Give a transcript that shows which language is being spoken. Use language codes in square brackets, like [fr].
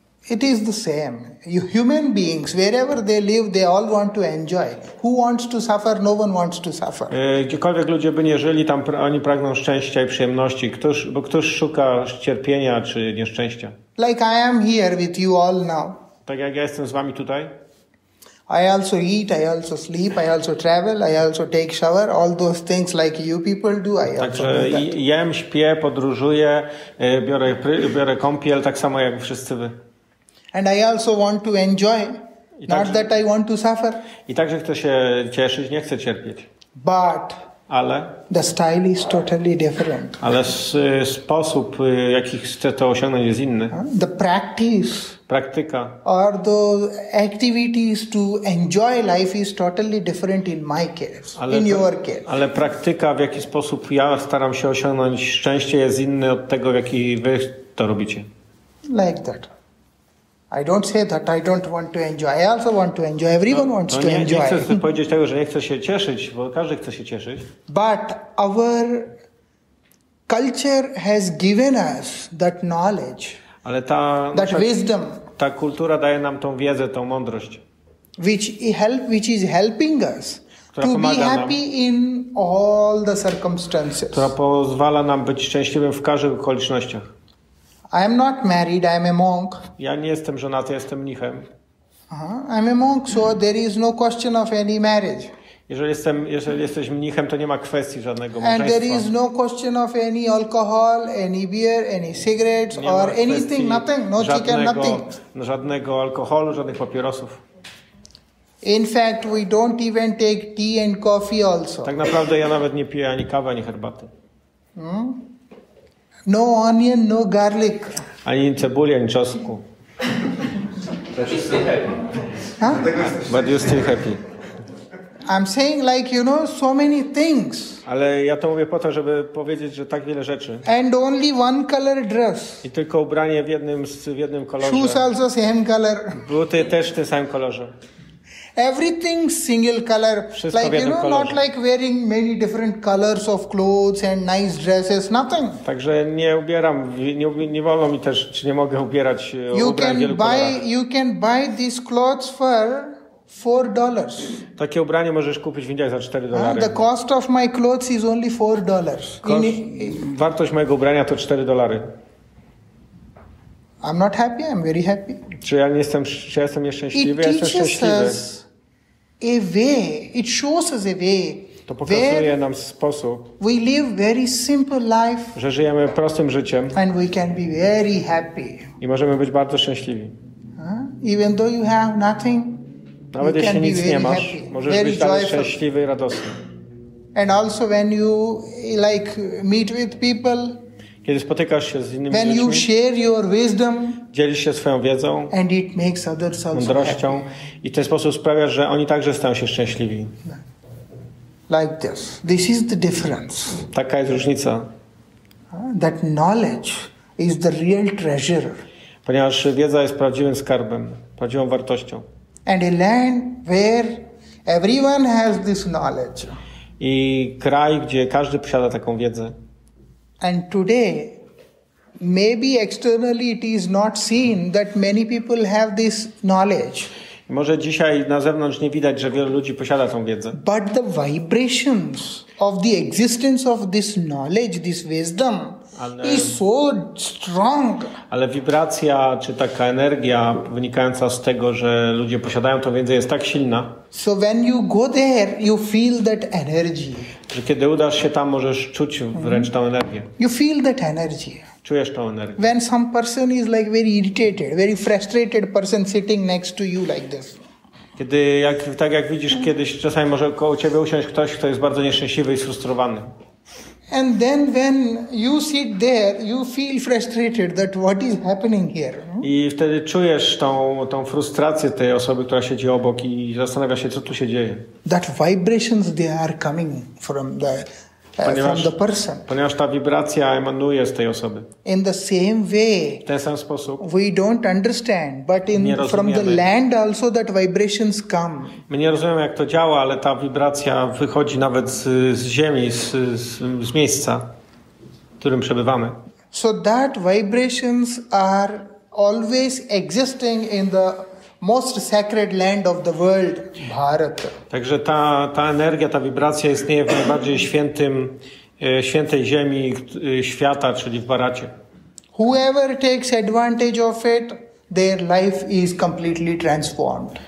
[en] It is the same. You human beings, wherever they live, they all want to enjoy. Who wants to suffer? No one wants to suffer. [pl] Gdziekolwiek ludzie by nie żyli, tam oni pragną szczęścia i przyjemności. Któż szuka cierpienia czy nieszczęścia? [en] Like I am here with you all now. [pl] Tak jak ja jestem z wami tutaj. [en] I also eat, I also sleep, I also travel, I also take shower, all those things like you people do, I also do that. [pl] Także jem, śpię, podróżuję, biorę kąpiel, tak samo jak wszyscy wy. [en] And I also want to enjoy, not that I want to suffer. [pl] I także chcę się cieszyć, nie chcę cierpieć. [en] But [pl] ale [en] the style is totally different. [pl] Ale sposób, jaki chcę to osiągnąć, jest inny. [en] The practice. [pl] Praktyka. [en] Or the activities to enjoy life is totally different in my case, in your case. [pl] Ale praktyka, w jaki sposób ja staram się osiągnąć szczęście, jest inny od tego, w jaki wy to robicie. [en] Like that. I don't say that I don't want to enjoy. I also want to enjoy. Everyone wants to enjoy. [pl] Nie chcę powiedzieć tego, że nie chcę się cieszyć, bo każdy chce się cieszyć. [en] But our culture has given us that knowledge. [pl] Ale ta [en] that wisdom. [pl] Ta kultura daje nam tą wiedzę, tą mądrość. [en] Which is helping us to be happy in all the circumstances. [pl] Która pozwala nam być szczęśliwym w każdych okolicznościach. [en] I am not married, I am a monk. [pl] Ja nie jestem żonaty, jestem mnichem. [en] I am a monk, so there is no question of any marriage. [pl] Jeżeli jesteś mnichem, to nie ma kwestii żadnego małżeństwa. [en] And there is no question of any alcohol, any beer, any cigarettes [pl] nie [en] or anything, nothing, no chicken, nothing. [pl] Żadnego alkoholu, żadnych papierosów. [en] In fact, we don't even take tea and coffee also. [pl] Tak naprawdę ja nawet nie piję ani kawy, ani herbaty. [en] No onion, no garlic. [pl] Ani cebuli, ani czosnku. [en] But you're still happy. I'm saying like, you know, so many things. [pl] Ale ja to mówię po to, żeby powiedzieć, że tak wiele rzeczy. [en] And only one color dress. [pl] I tylko ubranie w jednym kolorze. [en] Shoes also same color. [pl] Buty też w tym samym kolorze. [en] Everything single color. [pl] Wszystko [en] like, you know, [pl] kolorze. [en] Not like wearing many different colors of clothes and nice dresses, nothing. [pl] Także nie ubieram, nie wolno mi też, czy nie mogę ubierać [en] you can [pl] wielu [en] buy, [pl] kolorach. [en] You can buy these clothes for $4. [pl] Takie ubranie możesz kupić w Indiach za $4. [en] The cost of my clothes is only $4. [pl] Wartość mojego ubrania to $4. [en] I'm not happy, I'm very happy. [pl] Czy ja jestem nieszczęśliwy? Ja jestem szczęśliwy. [en] A way. It shows us a way. [pl] To pokazuje nam sposób. [en] We live very simple life. [pl] Że żyjemy prostym życiem. [en] And we can be very happy. [pl] I możemy być bardzo szczęśliwi. [en] Even though you have nothing. [pl] Nawet [en] you [pl] jeśli nic nie masz, [en] happy, [pl] możesz być [en] joyful. [pl] Dalej szczęśliwy i radosny. [en] And also when you like meet with people, [pl] kiedy spotykasz się z innymi [en] when [pl] ludźmi, [en] you share your wisdom, [pl] dzielisz się swoją wiedzą, [en] and it makes others also [pl] mądrością [en] happy. [pl] I w ten sposób sprawiasz, że oni także stają się szczęśliwi. [en] Like this. This is the difference. [pl] Taka jest różnica. [en] That knowledge is the real treasure. [pl] Ponieważ wiedza jest prawdziwym skarbem, prawdziwą wartością. [en] And a land where everyone has this knowledge. [pl] I kraj, gdzie każdy posiada taką wiedzę. [en] And today, maybe externally it is not seen that many people have this knowledge. [pl] I może dzisiaj na zewnątrz nie widać, że wielu ludzi posiada tą wiedzę. [en] But the vibrations of the existence of this knowledge, this wisdom, [pl] ale, [en] is so strong. [pl] Ale wibracja, czy taka energia wynikająca z tego, że ludzie posiadają tą wiedzę, jest tak silna. [en] So when you go there, you feel that energy. [pl] Że kiedy udasz się tam, możesz czuć wręcz tą energię. [en] You feel that energy. [pl] Czujesz tą energię. [en] When some person is like very irritated, very frustrated person sitting next to you like this. [pl] Kiedy, jak, tak jak widzisz, kiedyś czasami może koło ciebie usiąść ktoś, kto jest bardzo nieszczęśliwy i sfrustrowany. [en] And then when you sit there, you feel frustrated that what is happening here. [pl] I wtedy czujesz tą frustrację tej osoby, która siedzi obok i zastanawia się, co tu się dzieje. [en] That vibrations they are coming from the [pl] ponieważ, [en] from the person. [pl] Ponieważ ta wibracja emanuje z tej osoby. [en] In the same way. [pl] W ten sam sposób. [en] We don't understand, but in from the land also that vibrations come. [pl] My nie rozumiemy, jak to działa, ale ta wibracja wychodzi nawet z ziemi, z miejsca, w którym przebywamy. [en] So that vibrations are always existing in the most sacred land of the world, Bharat. [pl] Także ta energia, ta wibracja istnieje w najbardziej świętej ziemi świata, czyli w Bharacie. [en] Whoever takes advantage of it, their life is completely transformed.